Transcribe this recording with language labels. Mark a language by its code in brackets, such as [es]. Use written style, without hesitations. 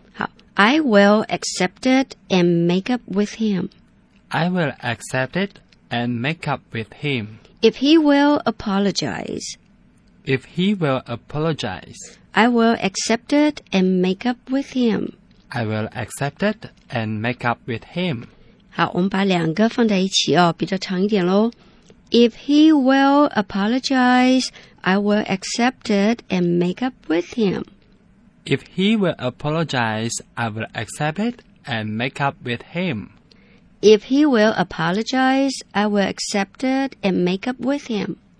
[en] 好， I will accept it and make up with him， I will accept it and make up with him， if he will apologize， if he will apologize， I will accept it and make up with him， I will accept it and make up with him， [zh] 好，我们把两个放在一起哦，比较长一点咯。 [en] If he will apologize, I will accept it and make up with him. If he will apologize, I will accept it and make up with him. If he will apologize, I will accept it and make up with him.